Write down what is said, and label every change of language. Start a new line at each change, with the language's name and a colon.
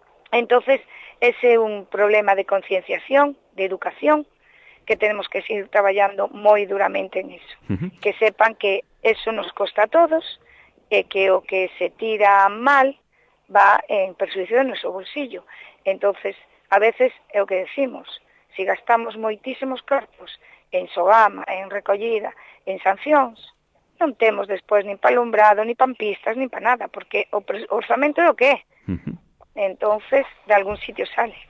Spanish: Entonces, ese é un problema de concienciación, de educación, que tenemos que seguir trabajando muy duramente en eso. Uh-huh. Que sepan que eso nos costa a todos,
Galician: que o que se tira mal
Spanish: va en perjuicio de nuestro bolsillo.
Galician: Entonces, a veces, é o que decimos, si gastamos moitísimos cartos en sogama, en recollida, en sancións, non temos después ni pa alumbrado, ni pa pistas, ni pa nada, porque o orzamento é o que é. Uh-huh.
Spanish: Entonces, de algún sitio sale.